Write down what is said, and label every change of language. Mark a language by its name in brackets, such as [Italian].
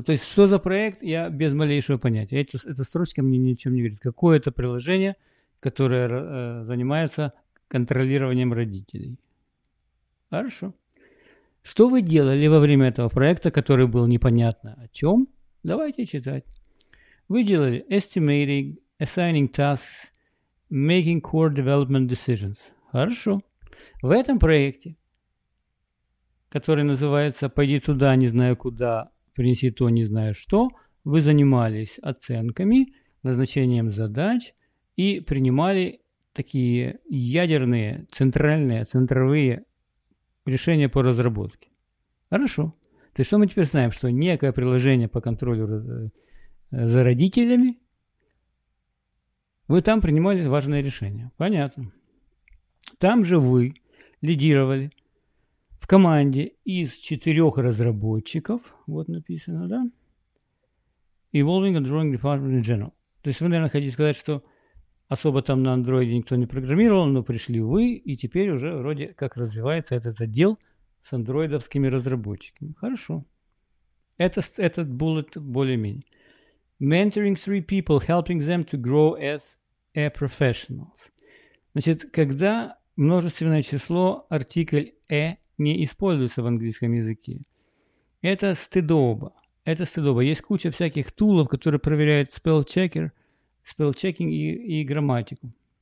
[Russian] То есть, что за проект, я без малейшего понятия. Эта строчка мне ничем не говорит. Какое это приложение, которое занимается контролированием родителей? Хорошо. Что вы делали во время этого проекта, который был непонятно о чем? Давайте читать. Вы делали [English] estimating, assigning tasks, making core development decisions. [Russian] Хорошо. В этом проекте, который называется «Пойди туда, не знаю куда, принеси то, не знаю что», вы занимались оценками, назначением задач и принимали такие ядерные, центральные, центровые решения по разработке. Хорошо. То есть что мы теперь знаем? Что некое приложение по контролю за родителями, вы там принимали важное решение. Понятно. Там же вы лидировали в команде из 4 разработчиков. Вот написано, да? [English] Evolving and Drawing Department in General. [Russian] То есть вы, наверное, хотите сказать, что особо там на Android никто не программировал, но пришли вы, и теперь уже вроде как развивается этот отдел с андроидовскими разработчиками. Хорошо. Этот bullet более-менее. [English] Mentoring 3 people, helping them to grow as a professional. [Russian] Значит, когда множественное число, артикль «э» не используется в английском языке, это стыдоба. Это стыдоба. Есть куча всяких тулов, которые проверяют спеллчекер, спеллчекинг и грамматику.